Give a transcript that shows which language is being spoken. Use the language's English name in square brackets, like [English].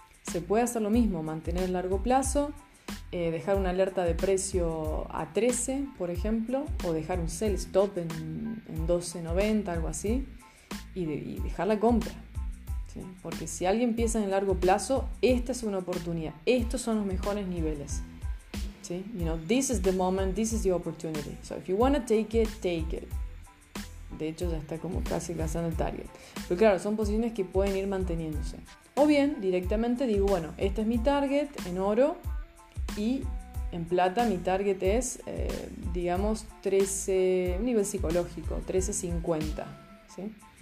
[Spanish] Se puede hacer lo mismo, mantener largo plazo, dejar una alerta de precio a 13, por ejemplo, o dejar un sell stop en 12.90, algo así, y dejar la compra, ¿sí? Porque si alguien empieza en largo plazo, esta es una oportunidad. Estos son los mejores niveles, ¿sí? [English] You know, this is the moment, this is the opportunity. So if you want to take it, take it. [Spanish] De hecho, ya está como casi cazando el target. Pero claro, son posiciones que pueden ir manteniéndose. O bien, directamente digo, bueno, este es mi target en oro y en plata mi target es, digamos, 13, nivel psicológico, 13.50, ¿sí?